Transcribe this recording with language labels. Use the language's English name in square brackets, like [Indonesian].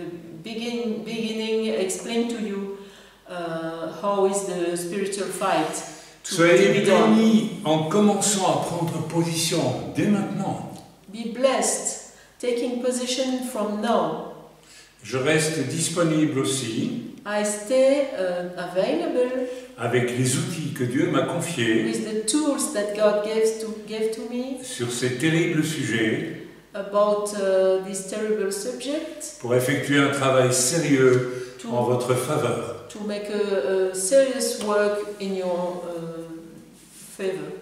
[English] I try to begin explain to you how is the spiritual fight to [French] soyez bénis en commençant à prendre position dès maintenant. [English] Be blessed taking position from now. [French] Je reste disponible aussi. [English] I stay available [French] avec les outils que Dieu m'a confiés. [English] With the tools that God gave to me [French] sur ces terribles sujets. [English] About this terrible subject. [French] Pour effectuer un travail sérieux to, en votre faveur. [English] To make a serious work in your favor.